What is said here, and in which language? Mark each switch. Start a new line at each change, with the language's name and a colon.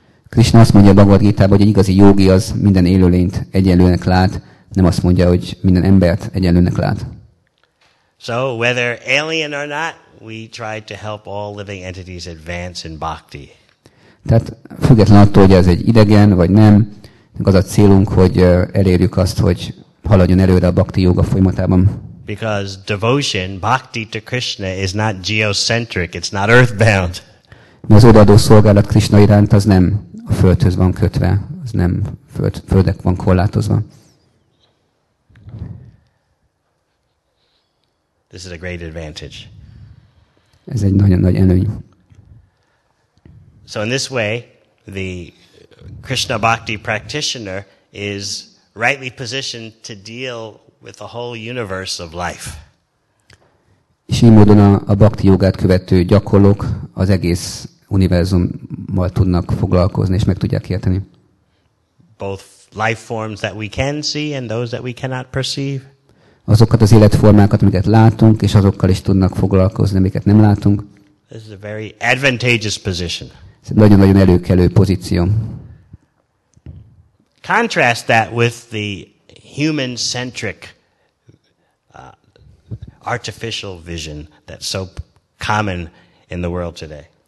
Hungarian: Krishna azt mondja a Bhagavad Gita-ban, hogy egy igazi yogi az minden élőlényt egyenlőnek lát, nem azt mondja, hogy minden embert egyenlőnek lát.
English: So whether alien or not, we try to help all living entities advance in bhakti.
Hungarian: Tehát független attól, hogy ez egy idegen vagy nem, az a célunk, hogy elérjük azt, hogy haladjon előre a bhakti yoga folyamatában.
English: Because devotion, bhakti to Krishna is not geocentric, it's not earthbound.
Hungarian: Mert az odaadó szolgálat Krishna iránt az nem a földhöz van kötve, az nem földek van korlátozva.
English: This is a great advantage.
Hungarian: Ez egy nagyon nagy előny.
English: So in this way, the Krishna bhakti practitioner is rightly positioned to deal with the whole universe of life.
Hungarian: És így módon a bhakti jogát követő gyakorlók az egész univerzummal tudnak foglalkozni és meg tudják érteni.
English: Both life forms that we can see and those that we cannot perceive.
Hungarian: Azokat az életformákat, amiket látunk, és azokkal is tudnak foglalkozni, amiket nem látunk.
English: This is a very advantageous position.
Hungarian: Ez egy nagyon-nagyon előkelő pozíció.
English: Contrast that with the human-centric artificial vision that's so common in the world today.